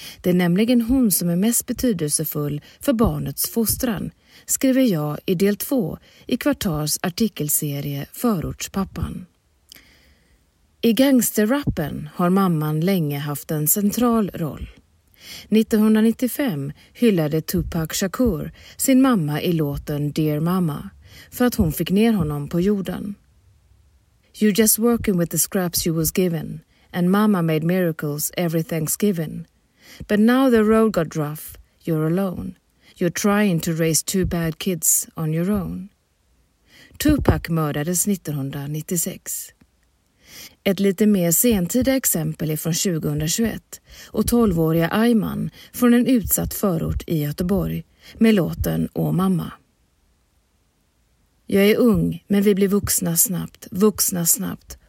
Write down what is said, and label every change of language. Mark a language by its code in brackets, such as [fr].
[sv] Det är nämligen hon som är mest betydelsefull för barnets fostran, skriver jag i del 2 i Kvartals artikelserie Förortspappan. I gangsterrappen har mamman länge haft en central roll. 1995 hyllade Tupac Shakur sin mamma i låten Dear Mama för att hon fick ner honom på jorden. [en] You're just working with the scraps you was given, and mama made miracles every Thanksgiving. But now the road got rough, you're alone. You're trying to raise two bad kids on your own. [sv] Tupac mördades 1996. Ett lite mer sentida exempel är från 2021 och 12-åriga Ayman från en utsatt förort i Göteborg med låten Åh mamma. Jag är ung, men vi blir vuxna snabbt.